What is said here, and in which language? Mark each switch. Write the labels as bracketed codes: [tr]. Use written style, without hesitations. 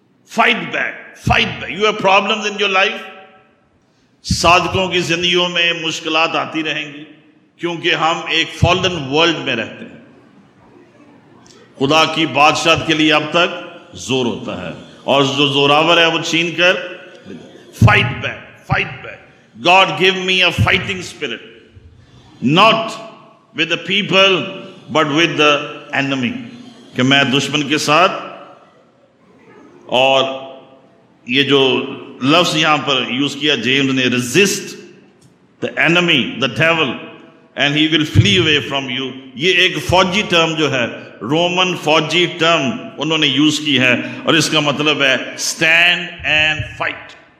[en] Fight back, fight back. You have problems in your life. [ur] صادقوں کی زندگیوں میں مشکلات آتی رہیں گی, کیونکہ ہم ایک فالن ورلڈ میں رہتے ہیں. خدا کی بادشاہت کے لیے اب تک زور ہوتا ہے, اور جو زوراور ہے وہ چھین کر. [en] Fight back, fight back. God give me a fighting spirit, not with the people but with the enemy. [ur] کہ میں دشمن کے ساتھ, اور یہ جو لفظ یہاں پر یوز کیا جیمز نے, [en] Resist the enemy, the devil, and he will flee away from you. [ur] یہ ایک فوجی ٹرم جو ہے, رومن فوجی ٹرم انہوں نے یوز کی ہے, اور اس کا مطلب ہے [en] Stand and fight.